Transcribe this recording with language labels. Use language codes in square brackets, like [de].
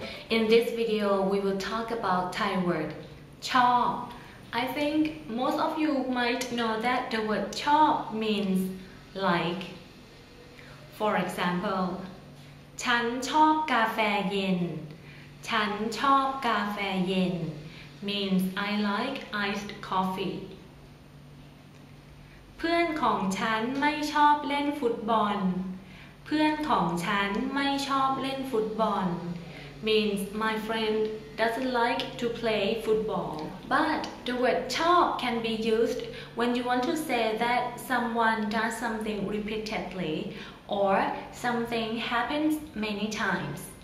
[en] In this video, we will talk about Thai word chop. I think most of you might know that the word chop means like. For example, [th] ฉันชอบกาแฟเย็น ฉันชอบกาแฟเย็น [en] means I like iced coffee. [th] เพื่อนของฉันไม่ชอบเล่นฟุตบอลเพื่อนของฉันไม่ชอบเล่นฟุตบอล [en] means my friend doesn't like to play football. But the word chop can be used when you want to say that someone does something repeatedly or something happens many times.